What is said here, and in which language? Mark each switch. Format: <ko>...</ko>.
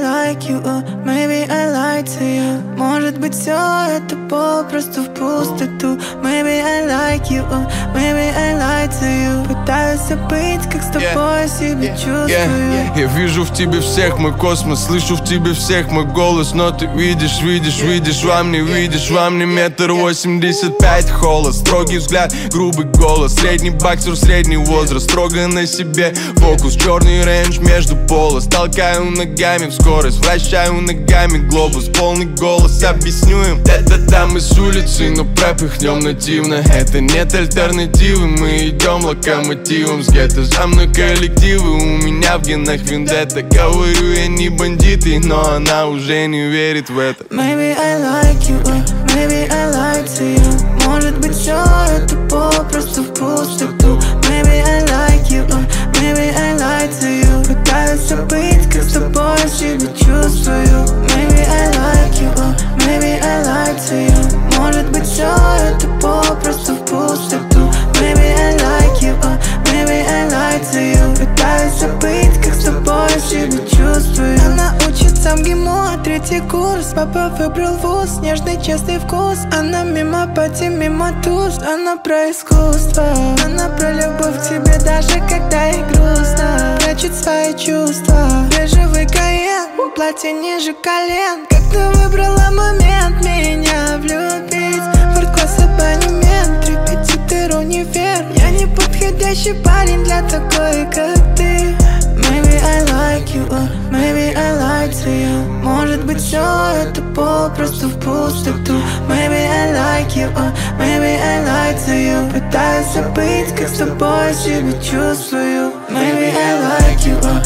<en>like you, maybe I lied to you.</en> <ru>Может быть, все это попросту в пустоту.</ru> <en>Maybe I like you, maybe I lied to you.</en> <ru>Пытаюсь забыть, как с тобой себя чувствую. Я вижу в тебе всех, мой космос. Слышу в тебе всех, мой голос. Но ты видишь, видишь, видишь, во мне видишь. Во мне 1.85 м, холост. Строгий взгляд, грубый голос. Средний боксер, средний возраст. Строго на себе фокус. Черный рейндж между полос. Толкаю ногами в скорость. Вращаю ногами глобус. Полный голос, объясню им. Да-да-да, мы с улицы, но пропихнем нативно. Это нет альтернативы, мы идем локомотивом. С гетто за мной коллективы, у меня в генах вендетта. Говорю, я не бандиты, но она уже не верит в это.</ru> <en>Maybe I like you, maybe I lied to you.</en> <ru>Может быть, все это попросту в пустоту.</ru> <en>Maybe I like you, maybe I lied to you.</en> <ru>Пытаюсь забыть, как с тобой себя чувствую.</ru> <en>Maybe I like you, maybe I lied to you.</en> <ru>Может быть, все это попросту в пустоту.</ru> <en>Maybe I like you, maybe I lied to you.</en> <ru>Пытаюсь забыть, как с тобой себя чувствую. Сам ГИМО, третий курс. Папа выбрал вуз, нежный, честный вкус. Она мимо пати, мимо туз. Она про искусство. Она про любовь к тебе, даже когда ей грустно. Прячет свои чувства. Бежевый каен, платье ниже колен. Как ты выбрала момент меня влюбить? Форт-класс, абонемент, репетитор, универ. Я не подходящий парень для такой, как ты.</ru> <en>Maybe I like you, maybe I lied to you.</en> <ru>Может быть, все это попросту в пустоту.</ru> <en>Maybe I like you, maybe I lied to you.</en> <ru>Пытаюсь забыть, как с тобой себя чувствую.</ru> <en>Maybe I like you,</en>